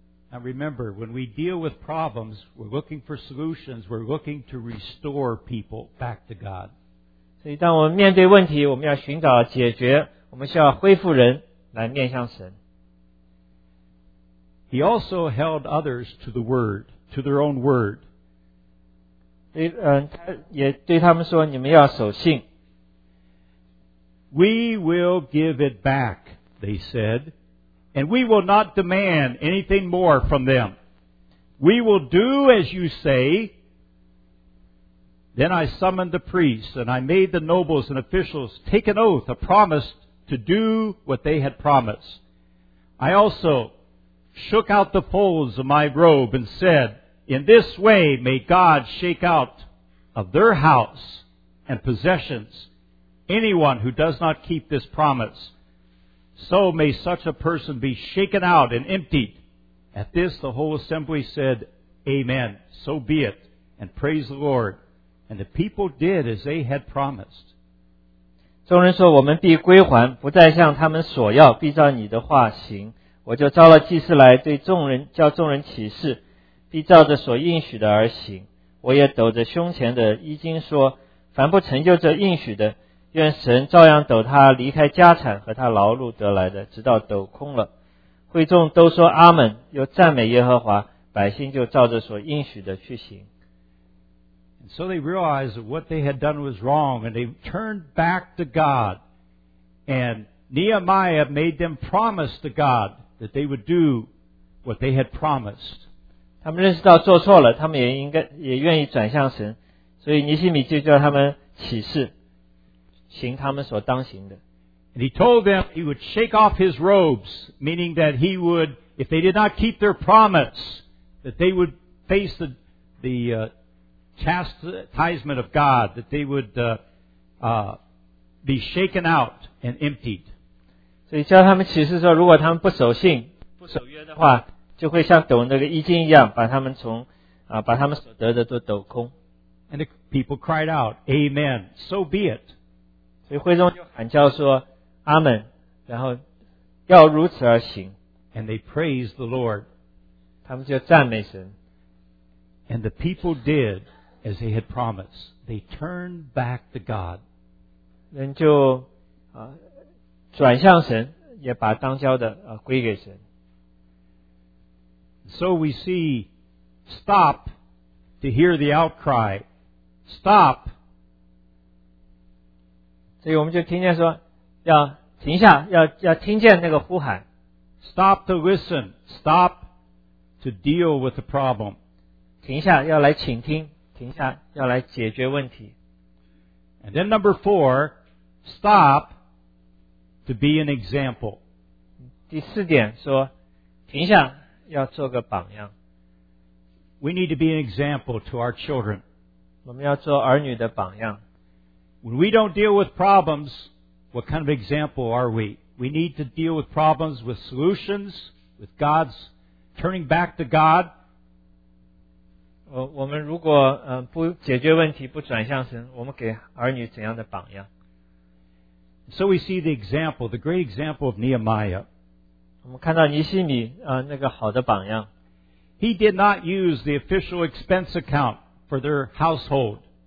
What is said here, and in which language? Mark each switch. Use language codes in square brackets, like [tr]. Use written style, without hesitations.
[en] Now remember, when we deal with problems, we're looking for solutions. We're looking to restore people back to God. [zh] 所以，当我们面对问题，我们要寻找解决，我们需要恢复人来面向神。 [en] He also held others to the word, to their own word. [zh] 所以，他也对他们说，你们要守信。 [en] We will give it back, they said, and we will not demand anything more from them. We will do as you say. Then I summoned the priests, and I made the nobles and officials take an oath, a promise to do what they had promised. I also shook out the folds of my robe and said, In this way may God shake out of their house and possessions. Anyone who does not keep this promise. So may such a person be shaken out and emptied. At this, the whole assembly said, Amen, so be it, and praise the Lord. And the people did as they had promised. [zh] 众人说，我们必归还，不再向他们索要，必照你的话行。我就召了祭司来，对众人叫众人起誓，必照着所应许的而行。我也抖着胸前的衣襟说，凡不成就这应许的，愿神照样抖他离开家产和他劳碌得来的，直到抖空了。会众都说阿们，又赞美耶和华，百姓就照着所应许的去行。 [en] So they realized that what they had done was wrong, and they turned back to God. And Nehemiah made them promise to God that they would do what they had promised. [zh] 他们认识到做错了，他们也应该也愿意转向神，所以尼希米就叫他们起誓，行他们所当行的。 [en] And he told them he would shake off his robes, meaning that he would, if they did not keep their promise, that they would face the chastisement of God, that they would be shaken out and emptied. [zh] 所以叫他们起誓说，如果他们不守信、不守约的话，就会像抖那个衣襟一样，把他们从把他们所得的都抖空。 [en] And the people cried out, "Amen, so be it." [zh] 所以会众就喊叫说，阿门，然后要如此而行。 [en] And they praised the Lord. [zh] 他们就赞美神。 [en] And the people did as they had promised. They turned back to God. [zh] 人就转向神，也把当交的归给神。 [en] So we see, stop to hear the outcry. Stop. [zh] 所以我们就听见说，要停下，要听见那个呼喊。 [en] Stop to listen. Stop to deal with the problem. [zh] 停下，要来倾听，停下，要来解决问题。 [en] And then number four, stop to be an example. [zh] 第四点说，停下，要做个榜样。 [en] We need to be an example to our children. [zh] 我们要做儿女的榜样。 [en] When we don't deal with problems, what kind of example are we? We need to deal with problems with solutions, with God's turning back to God. [zh] 我们如果不解决问题，不转向神，我们给儿女怎样的榜样？ [en] So we see the example, the great example of Nehemiah. [zh] 我们看到尼希米那个好的榜样。 [en] He did not use the official expense account for their household.